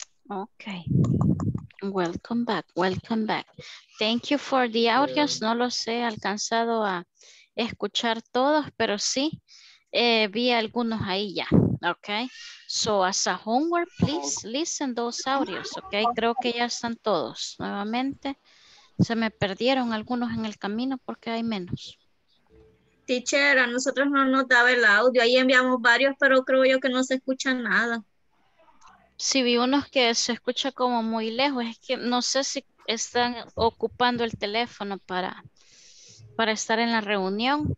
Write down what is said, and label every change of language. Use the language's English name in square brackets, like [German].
[English] Okay. Welcome back, welcome back. Thank you for the audience. [Spanish] No los he alcanzado a escuchar todos, pero sí vi algunos ahí ya. Okay. [English] So as a homework, please listen those audios. [Spanish] Okay. Creo que ya están todos nuevamente. Se me perdieron algunos en el camino porque hay menos. Teacher, a nosotros no nos daba el audio. Ahí enviamos varios, pero creo yo que no se escucha nada. Sí, vi unos que se escucha como muy lejos. Es que no sé si están ocupando el teléfono para estar en la reunión.